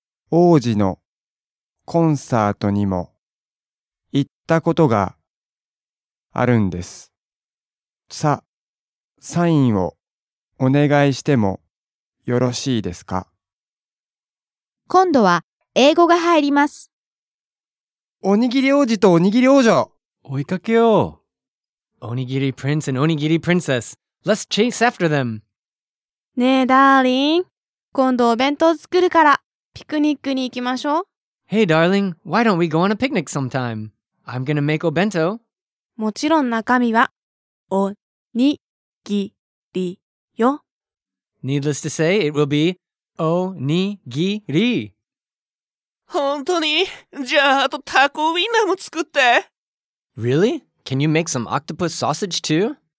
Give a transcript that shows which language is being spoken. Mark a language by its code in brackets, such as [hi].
[ja] 王子のコンサートにも行ったことがあるんです。サインをお願いしてもよろしいですか？今度は英語が入ります。おにぎり王子とおにぎり王女。追いかけよう。 [en] Onigiri Prince and Onigiri Princess, let's chase after them. [ja] ねえ、ダーリン。今度お弁当作るから、ピクニックに行きましょう。 [en] Hey, darling, why don't we go on a picnic sometime? I'm gonna make o bento. [ja] もちろん中身は、おにぎりよ。 [en] Needless to say, it will be, おにぎり。 [ja] 本当に？じゃああとタコウインナーも作って。 [en] Really? Can you make some octopus sausage too?